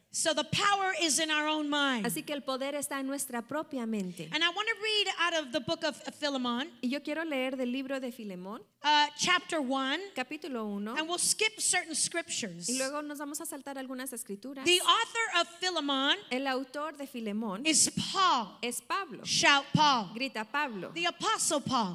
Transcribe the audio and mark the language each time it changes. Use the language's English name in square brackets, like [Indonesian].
[English] So the power is in our own mind. [Spanish] Así que el poder está en nuestra propia mente. [English] And I want to read out of the book of Philemon. [Spanish] Y yo quiero leer del libro de Filemón. [English] Chapter 1. [Spanish] Capítulo 1. [English] And we'll skip certain scriptures. [Spanish] Y luego nos vamos a saltar algunas escrituras. [English] The author of Philemon. [Spanish] El autor de Filemón. [English] Is Paul. [Spanish] Es Pablo. [English] Shout Paul. [Spanish] Grita Pablo. [English] The apostle Paul.